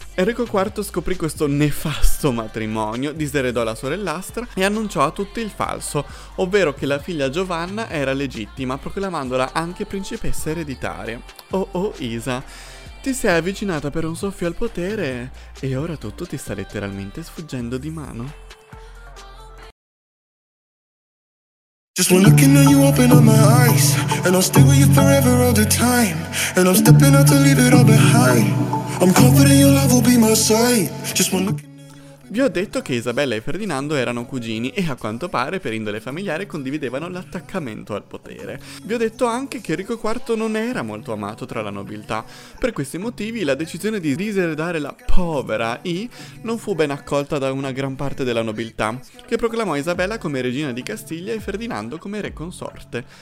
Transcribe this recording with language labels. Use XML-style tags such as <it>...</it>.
<it>Enrico IV scoprì questo nefasto matrimonio, diseredò la sorellastra e annunciò a tutti il falso, ovvero che la figlia Giovanna era legittima, proclamandola anche principessa ereditaria. Oh oh, Isa, ti sei avvicinata per un soffio al potere e ora tutto ti sta letteralmente sfuggendo di mano.</it> <en>Just one look and you open up my eyes, and I'll stay with you forever all the time, and I'm stepping out to leave it all behind. I'm confident your love will be my sight. Just one look.</en> <it>Vi ho detto che Isabella e Ferdinando erano cugini e a quanto pare per indole familiare condividevano l'attaccamento al potere. Vi ho detto anche che Enrico IV non era molto amato tra la nobiltà. Per questi motivi la decisione di diseredare la povera I non fu ben accolta da una gran parte della nobiltà, che proclamò Isabella come regina di Castiglia e Ferdinando come re consorte.</it>